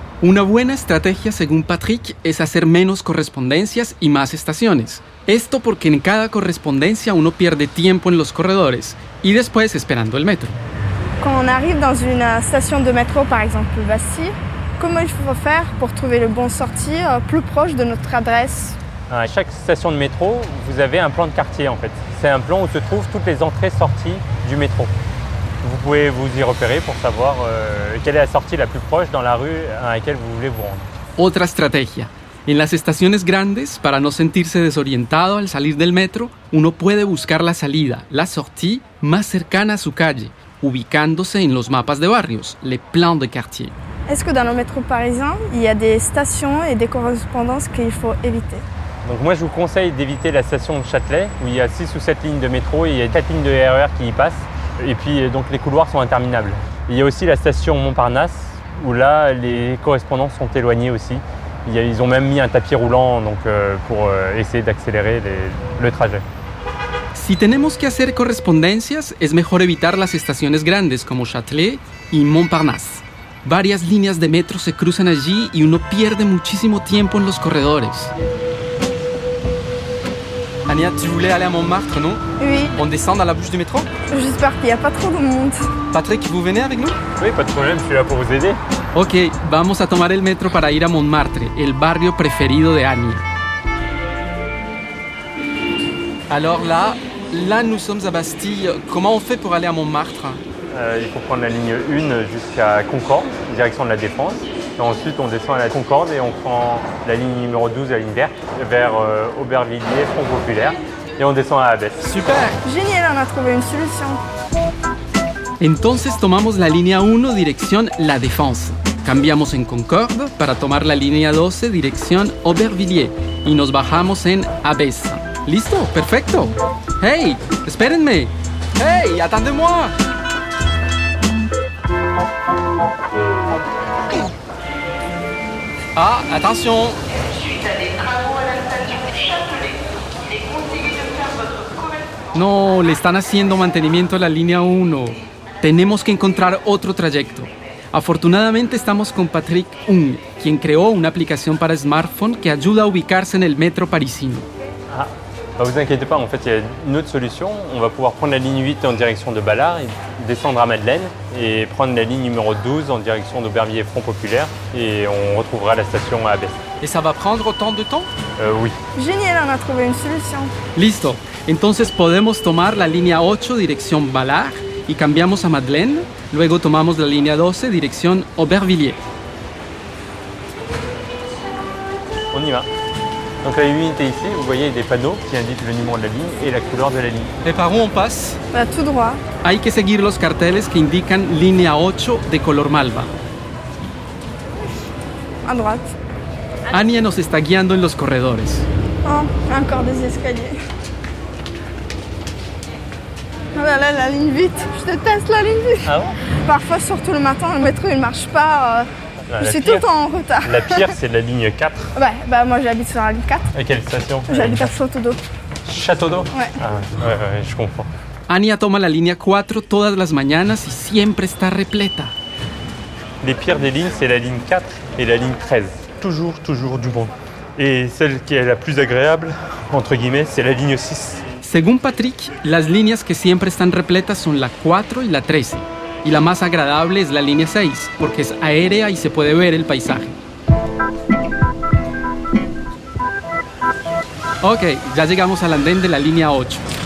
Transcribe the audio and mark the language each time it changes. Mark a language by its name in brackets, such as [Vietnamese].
[Spanish] Una buena estrategia, según Patrick, es hacer menos correspondencias y más estaciones. Esto porque en cada correspondencia uno pierde tiempo en los corredores y después esperando el metro. [French] Quand on arrive dans une station de métro, par exemple Bastille, comment il faut faire pour trouver le bon sortie plus proche de notre adresse? À chaque station de métro, vous avez un plan de quartier en fait. C'est un plan où se trouvent toutes les entrées-sorties du métro. Vous pouvez vous y repérer pour savoir quelle est la sortie la plus proche dans la rue à laquelle vous voulez vous rendre. [Spanish] Otra estrategia. En las estaciones grandes, para no sentirse desorientado al salir del metro, uno puede buscar la salida, [French] la sortie [Spanish] más cercana a su calle, ubicándose en los mapas de barrios, [French] les plans de quartier. Est-ce que dans le métro parisien, il y a des stations et des correspondances qu'il faut éviter? Donc moi je vous conseille d'éviter la station de Châtelet où il y a 6 ou 7 lignes de métro et il y a 4 lignes de RER qui y passent et puis donc les couloirs sont interminables. Il y a aussi la station Montparnasse où là les correspondances sont éloignées aussi. Ils ont même mis un tapis roulant donc, pour essayer d'accélérer le trajet. [Spanish] Si tenemos que hacer correspondencias, es mejor evitar las estaciones grandes como Châtelet y Montparnasse. Varias líneas de métro se cruzan allí y uno pierde muchísimo tiempo en los corredores. [French] Anya, tu voulais aller à Montmartre, non? Oui. On descend dans la bouche du métro? J'espère qu'il n'y a pas trop de monde. Patrick, vous venez avec nous? Oui, pas de problème, je suis là pour vous aider. [Spanish] Ok, vamos a tomar el metro para ir a Montmartre, el barrio preferido de Anya. [French] Alors là, nous sommes à Bastille. Comment on fait pour aller à Montmartre? Il faut prendre la ligne 1 jusqu'à Concorde, direction de la Défense. Et ensuite, on descend à la Concorde et on prend la ligne numéro 12, la ligne verte, vers Aubervilliers, Front Populaire. Et on descend à Abbesses. Super! Génial, on a trouvé une solution. [Spanish] Entonces tomamos la línea 1, dirección La Défense. Cambiamos en Concorde para tomar la línea 12, dirección Aubervilliers. Y nos bajamos en Abbesses. ¡Listo! ¡Perfecto! ¡Hey! ¡Espérenme! ¡Hey! [French] ¡Attendez-moi! Ah, attention! Suite à des travaux à la station Châtelet, il est conseillé de faire votre couverture. [Spanish] Non, le están haciendo mantenimiento a la línea 1. Tenemos que encontrar otro trayecto. Afortunadamente estamos con Patrick Ung, quien creó una aplicación para smartphone que ayuda a ubicarse en el metro parisino. [French] Ah, ne vous inquiétez pas, en fait, il y a une autre solution. On va pouvoir prendre la ligne 8 en direction de Ballard, et descendre à Madeleine et prendre la ligne numéro 12 en direction d'Aubervilliers Front Populaire et on retrouvera la station à Abbesses. Et ça va prendre autant de temps? Oui. Génial, on a trouvé une solution. [Spanish] Listo. Entonces podemos tomar la línea 8 direction Ballard y cambiamos a Madeleine, luego tomamos la línea 12 dirección Aubervilliers. [French] On y va. Donc la unité ici, vous voyez des panneaux qui indiquent le numéro de la ligne et la couleur de la ligne. Et par où on passe? Bah, tout droit. [Spanish] Hay que seguir los carteles que indican línea 8 de color malva. [French] À droite. [Spanish] Anya nos está guiando en los corredores. [French] Oh, encore des escaliers. Oh là là, la ligne 8, je déteste la ligne 8. Ah bon? Parfois, surtout le matin, le métro il marche pas, je suis tout le temps en retard. La pire, c'est la ligne 4. Ouais, bah moi j'habite sur la ligne 4. À quelle station? J'habite à Château d'Eau. Château d'Eau? Ouais. Ah, ouais, je comprends. [Spanish] Anya toma la línea 4 todas las mañanas y siempre está repleta. [French] Les pires des lignes, c'est la ligne 4 et la ligne 13. Toujours, toujours du monde. Et celle qui est la plus agréable, entre guillemets, c'est la ligne 6. [Spanish] Según Patrick, las líneas que siempre están repletas son la 4 y la 13. Y la más agradable es la línea 6, porque es aérea y se puede ver el paisaje. Ok, ya llegamos al andén de la línea 8.